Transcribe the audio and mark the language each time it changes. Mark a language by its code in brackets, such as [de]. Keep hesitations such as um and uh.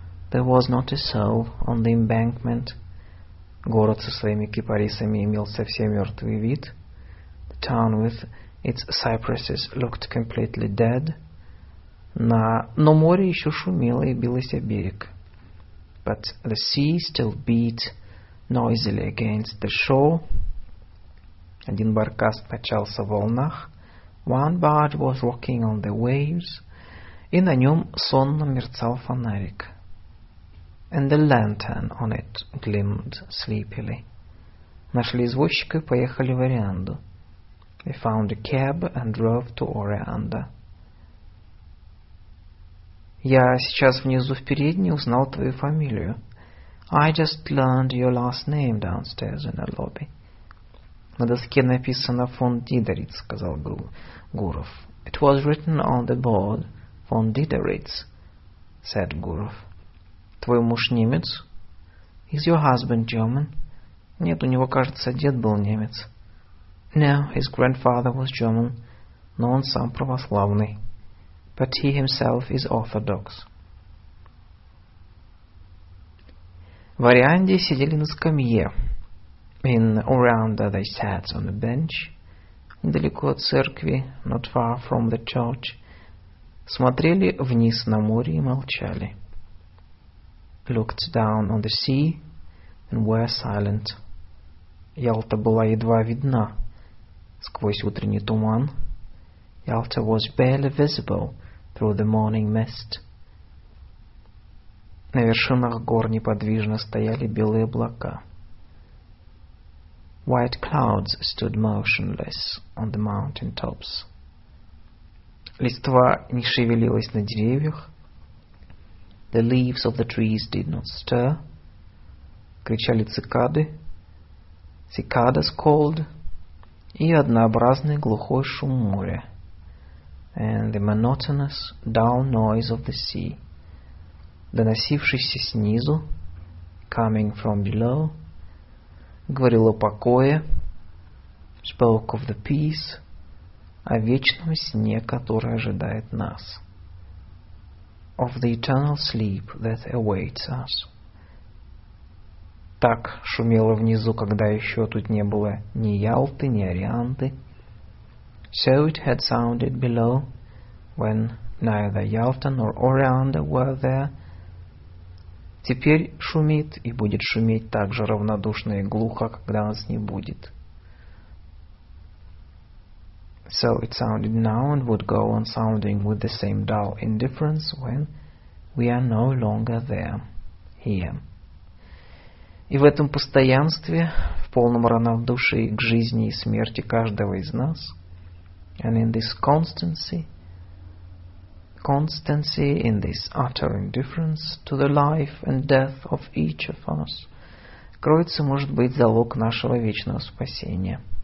[en] There was not a soul on the embankment. [ru] Город со своими кипарисами имел совсем мертвый вид. [en] The town with its cypresses looked completely dead. [ru] На... Но море еще шумело и билось о берег. [en] But the sea still beat noisily against the shore. [ru] Один баркас качался в волнах. [en] One barge was rocking on the waves. [ru] — и на нем сонно мерцал фонарик. [en] And the lantern on it glimmered sleepily. [ru] Нашли извозчика и поехали [en] They found a cab and drove to Orianda. [ru] Я сейчас внизу в передней узнал твою фамилию. [en] I just learned your last name downstairs in the lobby. It was written on the board, [ru] он дидерец, [en] said Гуров. [ru] Твой муж немец? [en] Is your husband German? [ru] Нет, у него, кажется, дед был немец. [en] No, his grandfather was German, [ru] но он сам православный. [en] But he himself is orthodox. [ru] В Орианде сидели на скамье. [en] In Orianda they sat on a bench. [ru] Недалеко от церкви, [en] not far from the church [ru] смотрели вниз на море и молчали. [en] Looked down on the sea and were silent. [ru] Ялта была едва видна сквозь утренний туман. [en] Ялта was barely visible through the morning mist. [ru] На вершинах гор неподвижно стояли белые облака. [en] White clouds stood motionless on the mountain tops. [ru] Листва не шевелилась на деревьях. [en] The leaves of the trees did not stir. [ru] Кричали цикады. [en] Cicadas called. [ru] И однообразный глухой шум моря. [en] And the monotonous dull noise of the sea. [ru] Доносившийся снизу. [en] Coming from below. [ru] Говорил о покое. [en] Spoke of the peace [ru] о вечном сне, который ожидает нас. [en] Of the eternal sleep that awaits us. [ru] Так шумело внизу, когда еще тут не было ни Ялты, ни Орианты. [en] So it had sounded below, when neither Yalta nor Orianta were there. [ru] Теперь шумит и будет шуметь так же равнодушно и глухо, когда нас не будет. [en] — so it sounded now and would go on sounding with the same dull indifference when we are no longer there, here. [ru] И в этом постоянстве, в полном равнодушии к жизни и смерти каждого из нас, [en] and in this constancy, constancy in this utter indifference to the life and death of each of us, [ru] кроется, может быть, залог нашего вечного спасения.